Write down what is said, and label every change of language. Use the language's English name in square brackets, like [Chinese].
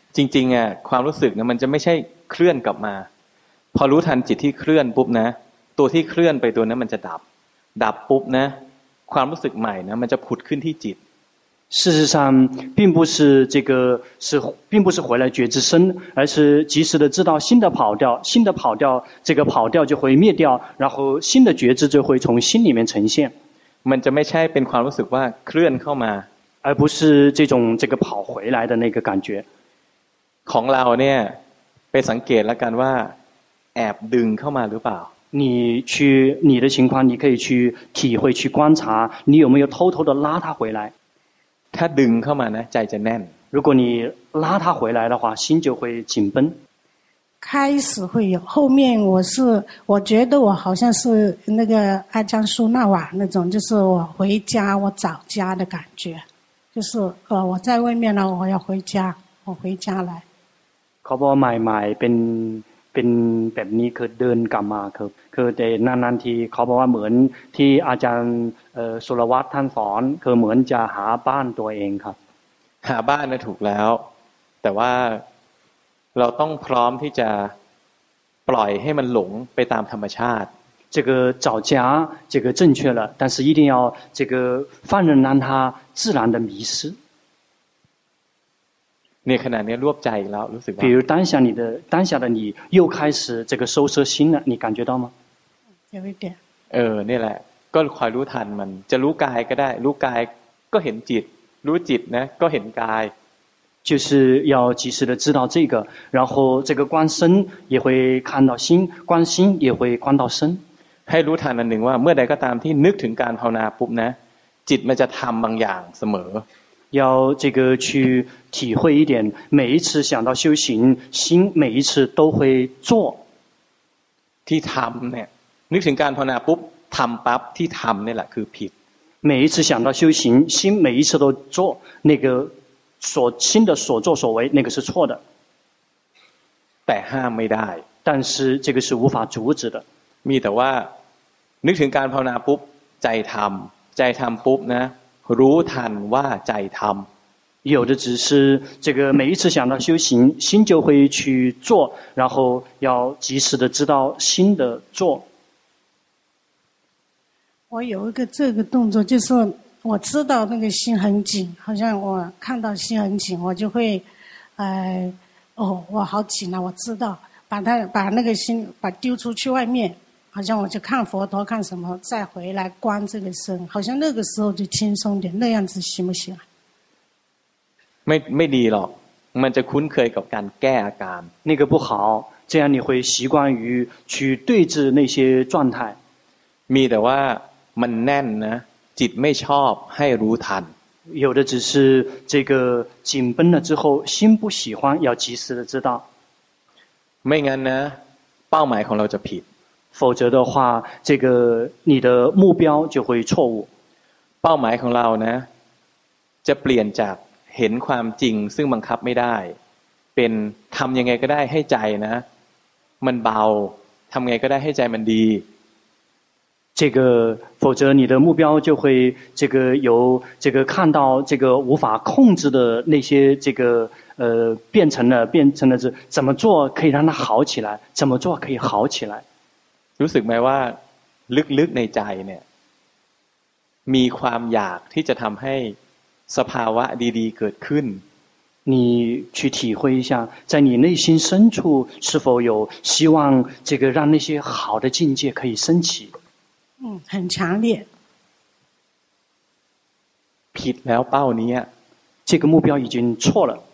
[Thai] จริงๆอ่ะความรู้สึกนะมันจะไม่ใช่เคลื่อนกลับมาพอรู้ทันจิตที่เคลื่อนปุ๊บนะตัวที่เคลื่อนไปตัวนั้นมันจะดับปุ๊บนะความรู้สึกใหม่นะมันจะผุดขึ้นที่จิต [Chinese] 事实上并不是这个是并不是回来觉知身而是及时的知道新的跑掉这个跑掉就会灭掉然后新的觉知就会从心里面呈现 [Thai] มันจะไม่ใช่เป็นความรู้สึกว่าเคลื่อนเข้ามา [Chinese] 而不是这种这个跑回来的那个感觉 [Thai] ของเราเนี่ยไปสังเกตแล้วกันว่าแอบดึงเข้ามาหรือเปล่า [Chinese] 你的情况你可以去体会去观察你有没有偷偷的拉他回来 [Thai] ถ้าดึงเข้ามานะใจจะแน่น [Chinese] 如果你拉他回来的话心就会紧绷开始会有后面我觉得我好像是那个阿江苏那瓦那种就是我回家我找家的感觉就是我在外面了我要回家我回家来 [Thai] เขาบอกใหม่ๆเป็นแบบนี้คือเดินกลับมาครับคือในนั้นที่เขาบอกว่าเหมือนที่อาจารย์สุรวัตรท่านสอนคือเหมือนจะหาบ้านตัวเองครับ หาบ้านนะถูกแล้วแต่ว่าเราต้องพร้อมที่จะปล่อยให้มันหลงไปตามธรรมชาติ [Chinese] 这个找家这个正确了但是一定要这个放任让它自然的迷失 [Thai] เนี่ยขณะนี้รวบใจแล้วรู้สึกว่า [Chinese] 比如当下你的当下的你又开始这个收摄心了你感觉到吗有一点 [Thai] เนี่ยแหละก็คอยรู้ทันมันจะรู้กายก็ได้รู้กายก็เห็นจิตรู้จิตนะก็เห็นกาย [Chinese] 就是要及时的知道这个然后这个观身也会看到心观心也会观到身 [Thai] ให้รู้ทันอันหนึ่งว่าเมื่อใดก็ตามที่นึกถึงการภาวนาปุ๊บนะจิตมันจะทำบางอย่างเสมอ [Chinese] 要这个去体会一点，每一次想到修行，心每一次都会做。 [Thai] ที่ทำเนี่ย，นึกถึงการภาวนาปุ๊บ，ทำปั๊บ，ที่ทำเนี่ยแหละคือผิด。 [Chinese] 每一次想到修行，心每一次都做，那个所心的所作所为，那个是错的。 [Thai] แต่ห้ามไม่ได้。 [Chinese] 但是这个是无法阻止的。 [Thai] มีแต่ว่านึกถึงการภาวนาปุ๊บ，ใจทำ，ใจทำปุ๊บนะรู้ทันว่าใจทำ [Chinese] 有的只是这个每一次想到修行心就会去做然后要及时的知道心的做我有一个这个动作就是我知道那个心很紧好像我看到心很紧我就会我好紧了我知道把那个心把丢出去外面好像我就看佛陀看什么再回来观这个身好像那个时候就轻松点那样子行不行没地了 [Thai] มันจะคุ้นเคยกับการแก้อาการ [Chinese] 那个不好这样你会习惯于去对治那些状态 [Thai] มีแต่ว่ามันแน่นนะจิตไม่ชอบให้รู้ทัน [Chinese] 有的只是这个紧绷了之后心不喜欢要及时的知道 [Thai] ไม่งั้นนะเป้าหมายของเราจะผิด [Chinese] 否则的话这个你的目标就会错误 [Thai] เป้าหมายของเรานะจะเปลี่ยนจากเห็นความจริงซึ่งบังคับไม่ได้ เป็นทำยังไงก็ได้ให้ใจนะมันเบาทำไงก็ได้ให้ใจมันดี [Chinese] 这个否则你的目标就会这个由这个看到这个无法控制的那些这个变成了是怎么做可以让它好起来怎么做可以好起来 [Thai] รู้สึกไหมว่าลึกๆในใจเนี่ยมีความอยากที่จะทำให้สภาวะดีๆเกิดขึ้น [Chinese] 你去体会一下在你内心深处是否有希望这个让那些好的境界可以升起很强烈 [Thai] ผิดแล้วเป้านี้ [Chinese] 这个目标已经错了